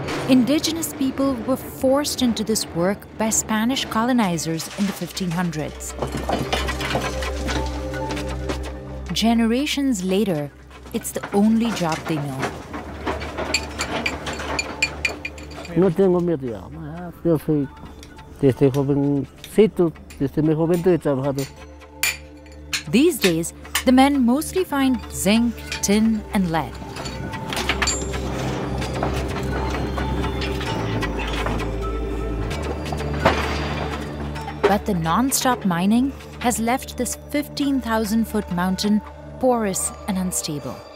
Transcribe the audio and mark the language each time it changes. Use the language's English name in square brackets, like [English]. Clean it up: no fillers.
[English] Indigenous people were forced into this work by Spanish colonizers in the 1500s. Generations later, it's the only job they know. [Spanish] No tengo miedo ya. Yo soy desde jovencito, desde mi juventud he trabajado. [English] These days, the men mostly find zinc, tin, and lead. But the non-stop mining has left this 15,000-foot mountain porous and unstable.